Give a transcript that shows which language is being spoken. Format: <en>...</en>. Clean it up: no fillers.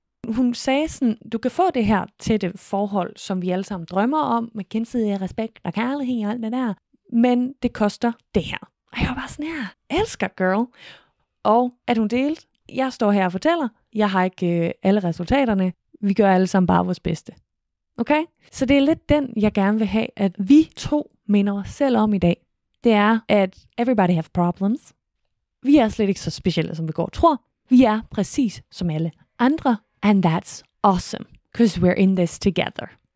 <da>Hun sagde sådan, du kan få det her tætte forhold, som vi alle sammen drømmer om, med gensidig respekt og kærlighed og alt det der, men det koster det her. Og jeg var bare sådan her, elsker girl. Og at hun delte, jeg står her og fortæller, jeg har ikke alle resultaterne, vi gør alle sammen bare vores bedste. Okay? Så det er lidt den, jeg gerne vil have, at vi to minder os selv om i dag. Det er, at</da> <en>everybody have problems.</en> <da>Vi er slet ikke så specielle, som vi går og tror. Vi er præcis som alle andre.</da> <en>And that's awesome, because we're in this together.</en>